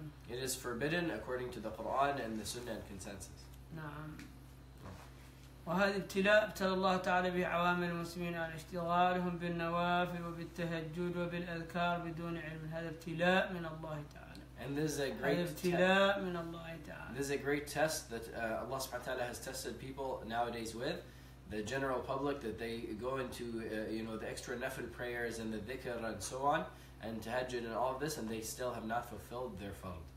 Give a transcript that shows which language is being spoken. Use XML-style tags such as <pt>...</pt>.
<en>It is forbidden according to the Quran and the Sunnah and consensus.</en> <ar>نعم وهذا ابتلاء ابتلى الله تعالى به عوامل المسلمين على اشتغالهم بالنوافل وبالتهجد وبالأذكار بدون علم. هذا ابتلاء من الله تعالى.</ar> <en>And this is a great</en> <ar>ابتلاء من الله تعالى.</ar> <en>This is a great test that Allah</en> <ar>سبحانه وتعالى</ar> <en>has tested people nowadays with. The general public, that they go into the extra nafil prayers and the dhikr and so on and tahajjud and all of this, and they still have not fulfilled their fard.</en>